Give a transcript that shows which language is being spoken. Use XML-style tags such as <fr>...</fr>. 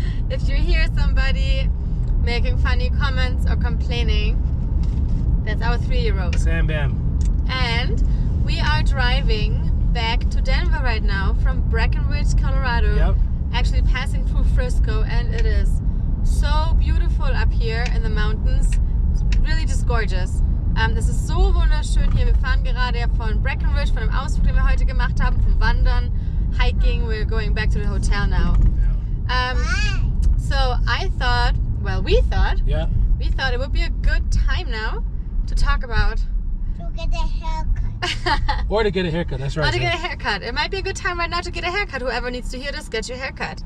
<en>If you hear somebody making funny comments or complaining, that's our three-year-old. Sam Bam. And we are driving back to Denver right now from Breckenridge, Colorado. Yep. Actually passing through Frisco, and it is so beautiful up here in the mountains. It's really just gorgeous. This is so</en> <de>wunderschön hier. Wir fahren gerade von Breckenridge, von dem Ausflug, den wir heute gemacht haben, vom Wandern, Hiking.</de> <en>We're going back to the hotel now. Yeah. So I thought, well, we thought it would be a good time now to talk about... To get a haircut. Or to get a haircut, that's right. Or to get a haircut. It might be a good time right now to get a haircut. Whoever needs to hear this, get your haircut.</en>